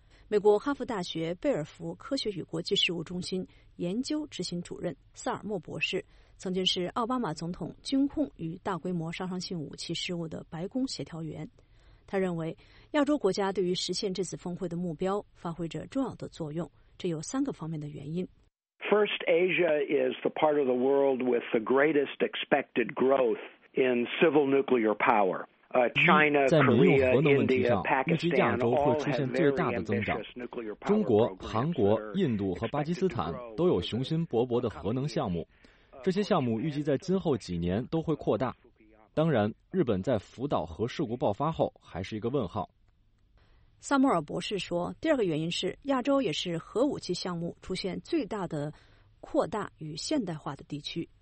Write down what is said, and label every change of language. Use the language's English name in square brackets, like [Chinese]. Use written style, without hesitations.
[Chinese] 美国哈佛大学贝尔福科学与国际事务中心研究执行主任萨尔默博士曾经是奥巴马总统军控与大规模杀伤性武器事务的白宫协调员，他认为亚洲国家对于实现这次峰会的目标发挥着重要的作用，这有三个方面的原因。 [English] First, Asia is the part of the world with the greatest expected growth in civil nuclear power. China, Korea, India, Pakistan, all have very ambitious nuclear power. [Chinese] 中国、韩国、印度和巴基斯坦都有雄心勃勃的核能项目，这些项目预计在今后几年都会扩大。当然，日本在福岛核事故爆发后还是一个问号。萨默尔博士说，第二个原因是亚洲也是核武器项目出现最大的扩大与现代化的地区。